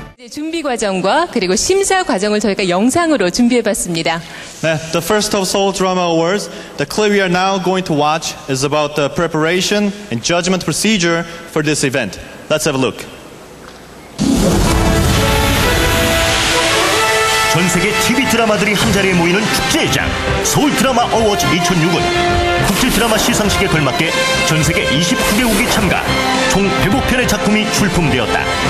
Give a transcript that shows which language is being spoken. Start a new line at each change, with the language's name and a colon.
Korean: 준비 과정과 그리고 심사 과정을 저희가 영상으로 준비해 봤습니다.
English: The first of Seoul Drama Awards, the clip we are now going to watch is about the preparation and judgment procedure for this event. Let's have a look.
Korean: 전 세계 TV 드라마들이 한 자리에 모이는 축제장 서울 드라마 어워즈 2006은 국제 드라마 시상식에 걸맞게 전 세계 29개국이 참가 총 100편의 작품이 출품되었다.